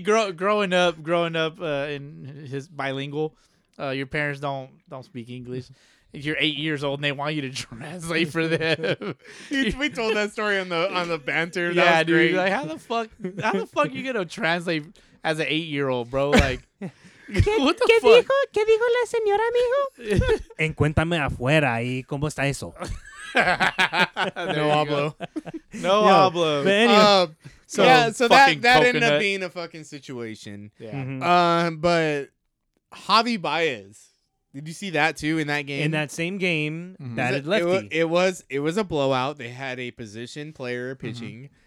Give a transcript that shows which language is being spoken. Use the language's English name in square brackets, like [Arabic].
[English] Growing up, in his bilingual, your parents don't speak English. You're 8 years old and they want you to translate for them. We told that story on the banter. Yeah, that was dude. Great. Like, how the fuck are you gonna translate as an 8-year old, bro? Like, what the fuck? [Spanish] ¿Qué dijo la señora, amigo? Encuéntame afuera y cómo está eso. No hablo. No hablo. [English] So that ended up being a fucking situation. Yeah. Mm-hmm. But Javi Baez. Did you see that too in that game? In that same game, batted lefty. It was a blowout. They had a position player pitching.